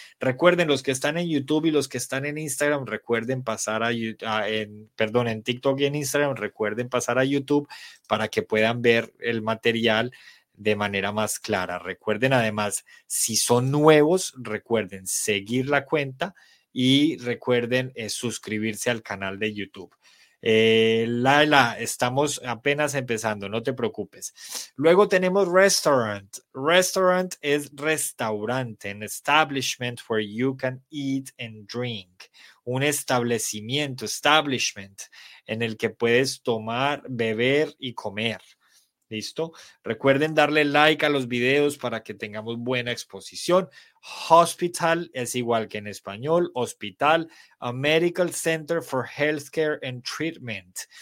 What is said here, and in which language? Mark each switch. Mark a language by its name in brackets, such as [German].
[Spanish] Recuerden, los que están en YouTube y los que están en Instagram, recuerden pasar perdón, en TikTok y en Instagram, recuerden pasar a YouTube para que puedan ver el material de manera más clara. Recuerden además, si son nuevos, recuerden seguir la cuenta y recuerden suscribirse al canal de YouTube. Laila, estamos apenas empezando, no te preocupes. Luego tenemos restaurant. [English] Restaurant [Spanish] es restaurante, [English] an establishment where you can eat and drink. [Spanish] un establecimiento, establishment, en el que puedes tomar, beber y comer. ¿Listo? Recuerden darle like a los videos para que tengamos buena exposición. [English] Hospital [Spanish] es igual que en español, [English] hospital, a medical center for healthcare and treatment.